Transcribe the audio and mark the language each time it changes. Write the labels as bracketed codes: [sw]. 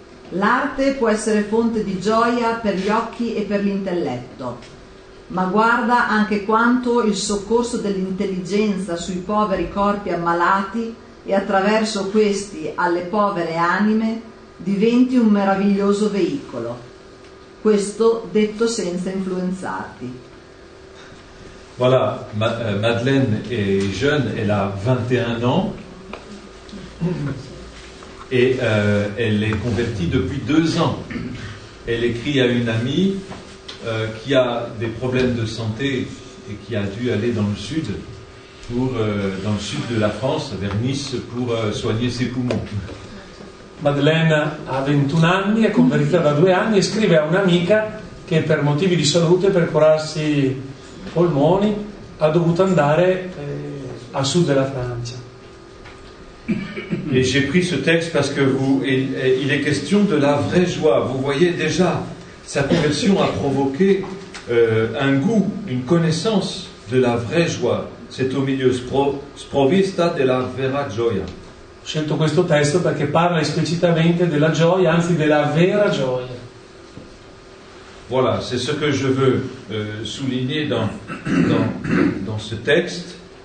[it] L'arte può essere fonte di gioia per gli occhi e per l'intelletto, ma guarda anche quanto il soccorso dell'intelligenza sui poveri corpi ammalati e attraverso questi alle povere anime diventi un meraviglioso veicolo. Questo detto senza influenzarti. [fr] Voilà, Madeleine est jeune, elle a 21 ans et elle est convertie depuis 2 ans. Elle écrit à une amie qui a des problèmes de santé et qui a dû aller dans le sud, pour, dans le sud de la France, vers Nice, pour soigner ses poumons. [it] Madeleine a 21 anni, è convertita da 2 anni e scrive a un'amica che per motivi di salute, per curarsi polmoni, ha dovuto andare a sud della Francia. [fr] Et j'ai pris ce texte parce que vous, il est question de la vraie joie. Vous voyez déjà, sa conversion a provoqué un goût, une connaissance de la vraie joie. C'est au milieu [it] sprovvista della vera gioia. Ho scelto questo testo perché parla esplicitamente della gioia, anzi della vera gioia. [fr] Voilà, c'est ce que je veux souligner dans ce texte.